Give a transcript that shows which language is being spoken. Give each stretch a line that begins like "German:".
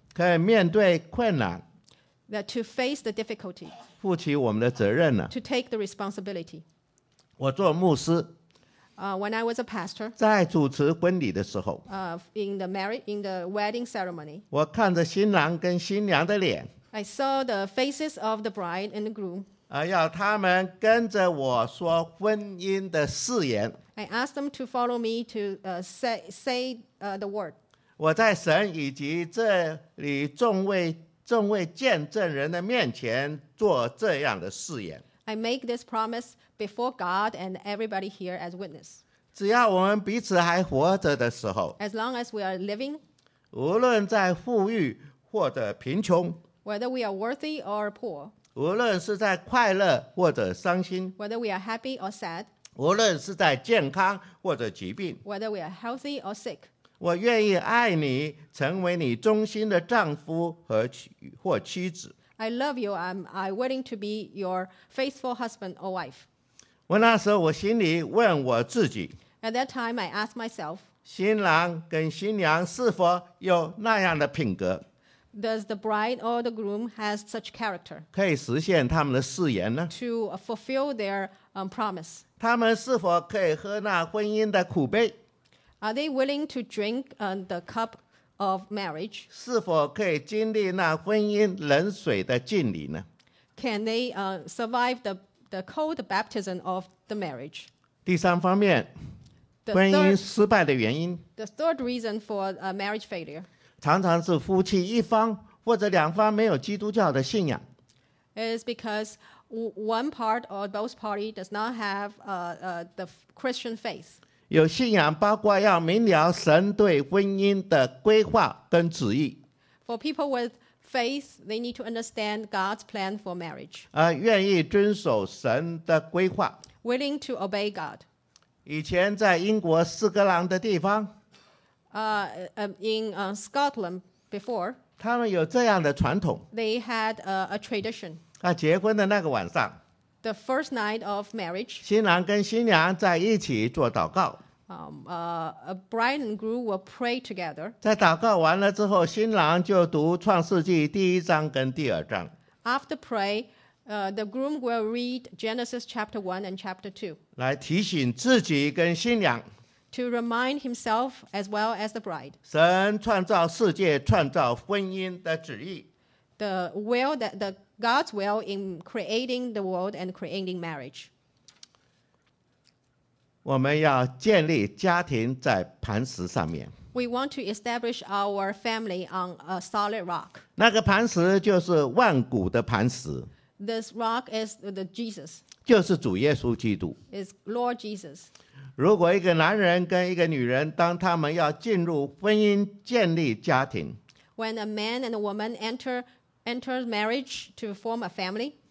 Chinese: 可以面对困难。
English: That to face the difficulty.
Chinese: 负起我们的责任呢？
English: To take the responsibility.
Chinese: 我做牧师。
English: When I was a pastor,
Chinese: 在主持婚礼的时候，
English: in the wedding ceremony,
Chinese: 我看着新郎跟新娘的脸，
English: I saw the faces of the bride and the groom.
Chinese: 要他们跟着我说婚姻的誓言。
English: I asked them to follow me to say the word.
Chinese: 我在神以及这里众位见证人的面前做这样的誓言。
English: I make this promise before God and everybody here as witness.
Chinese: 只要我们彼此还活着的时候，
English: As long as we are living,
Chinese: 无论在富裕或者贫穷，
English: Whether we are worthy or poor,
Chinese: 无论是在快乐或者伤心，
English: Whether we are happy or sad,
Chinese: 无论是在健康或者疾病，
English: Whether we are healthy or sick,
Chinese: 我愿意爱你，成为你忠心的丈夫和或妻子。
English: I love you. I'm willing to be your faithful husband or wife.
Chinese: 我那时候我心里问我自己。
English: At that time, I asked myself.
Chinese: 新郎跟新娘是否有那样的品格？
English: Does the bride or the groom has such character?
Chinese: 可以实现他们的誓言呢?
English: To fulfill their promise.
Chinese: 他们是否可以喝那婚姻的苦杯?
English: Are they willing to drink the cup of marriage?
Chinese: 是否可以经历那婚姻冷水的浸礼呢?
English: Can they survive the cold baptism of the marriage?
Chinese: 第三方面, 婚姻失败的原因。
English: The third reason for a marriage failure.
Chinese: 常常是夫妻一方或者两方没有基督教的信仰。
English: It is because one part or both party does not have the Christian faith.
Chinese: 有信仰包括要明了神对婚姻的规划跟旨意。
English: For people with faith, they need to understand God's plan for marriage.
Chinese: 愿意遵守神的规划。
English: Willing to obey God.
Chinese: 以前在英国斯格兰的地方。
English: In Scotland before,
Chinese: 他们有这样的传统。
English: They had a tradition.
Chinese: 结婚的那个晚上。
English: The first night of marriage.
Chinese: 新郎跟新娘在一起做祷告。
English: A bride and groom will pray together.
Chinese: 在祷告完了之后，新郎就读创世纪第一章跟第二章。
English: After pray, the groom will read Genesis chapter 1 and chapter 2.
Chinese: 来提醒自己跟新娘。
English: To remind himself as well as the bride.
Chinese: 神创造世界，创造婚姻的旨意。
English: The will that the God's will in creating the world and creating marriage.
Chinese: 我们要建立家庭在磐石上面。
English: We want to establish our family on a solid rock.
Chinese: 那个磐石就是万古的磐石。
English: This rock is the Jesus.
Chinese: 就是主耶稣基督。
English: Is Lord Jesus.
Chinese: 如果一个男人跟一个女人，当他们要进入婚姻、建立家庭
English: ，When a man and a woman enter marriage to form a family，